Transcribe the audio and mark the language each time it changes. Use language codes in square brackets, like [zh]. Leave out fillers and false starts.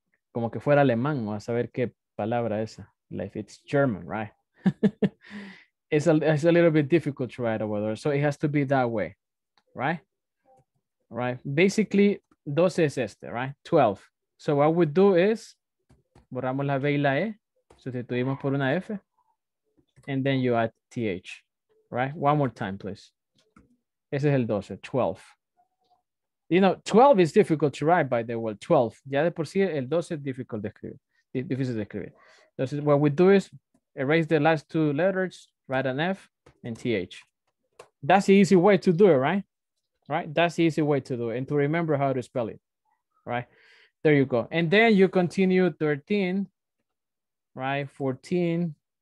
[es] Como que fuera alemán, o a saber qué palabra esa. [en] Like it's German, right? it's a little bit difficult to write over there. So it has to be that way, right? [es] Right. Basically, 12 es este, right? 12. [en] So what we do is, [es] borramos la B y la E, sustituimos por una F. [en] And then you add TH, right? One more time, please. [es] Ese es el 12, 12. [en] You know, 12 is difficult to write, by the way, 12. [es] Ya de por sí, el 12 es difícil de escribir. Entonces, [en] what we do is erase the last two letters, write an F and TH. That's the easy way to do it, right? Right? That's the easy way to do it and to remember how to spell it, right? There you go. And then you continue 13, right? 14.